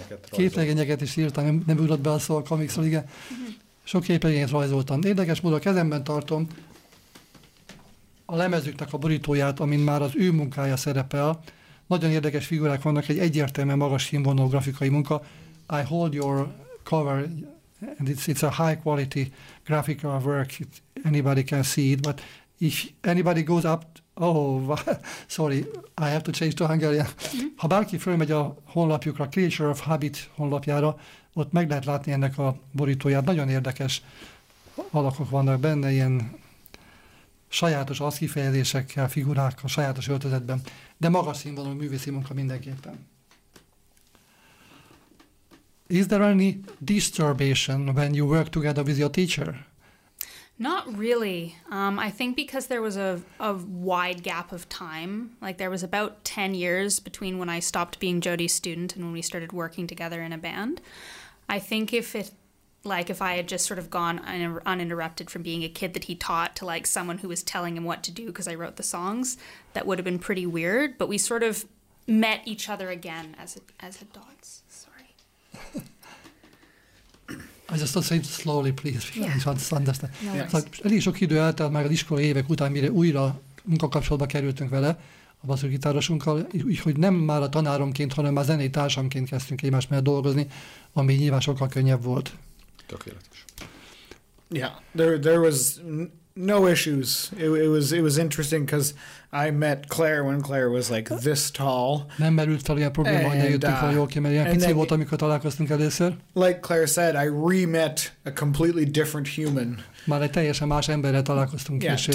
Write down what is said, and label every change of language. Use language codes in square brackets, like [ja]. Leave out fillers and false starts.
[hu] Képregényeket is írtam, nem ugrott be a szó a komikszor, igen. Sok képregényet rajzoltam. Érdekes módon a kezemben tartom a lemezüknek a borítóját, amin már az ő munkája szerepel. Nagyon érdekes figurák vannak, egy egyértelműen magas színvonalú grafikai munka. [en] I hold your cover, and it's a high quality graphical work. Anybody can see it, but if anybody goes up, I have to change to Hungarian. [hu] Ha bárki fölmegy a honlapjukra, Creature of Habit honlapjára, ott meg lehet látni ennek a borítóját. Nagyon érdekes alakok vannak benne, ilyen sajátos aszkifejezésekkel, figurákkal, sajátos öltözetben, de magas színvonalú művészi munka mindenképpen. [en] Is there any disturbation when you work together with your teacher? Not really. I think because there was a wide gap of time, like there was about 10 years between when I stopped being Jody's student and when we started working together in a band. I think if I had just sort of gone uninterrupted from being a kid that he taught to like someone who was telling him what to do because I wrote the songs, that would have been pretty weird. But we sort of met each other again as adults. I just want to say it slowly, please, because yeah. I just understand. [hu] No, szóval elég sok idő eltelt már az iskola évek után, mire újra munkakapcsolatba kerültünk vele, a basszusgitárosunkkal, úgyhogy nem már a tanáromként, hanem már zenei társamként kezdtünk egymás mellett dolgozni, ami nyilván sokkal könnyebb volt. Tökéletes. [en] Yeah, there was no issues. It was interesting because I met Claire when Claire was like this tall. [hu] Nem merült fel ilyen probléma, hogy eljöttünk fel jól ki, mert ilyen pici volt, amikor találkoztunk először. [en] Like Claire said, I re-met a completely different human. [hu] Már egy teljesen más emberre találkoztunk később.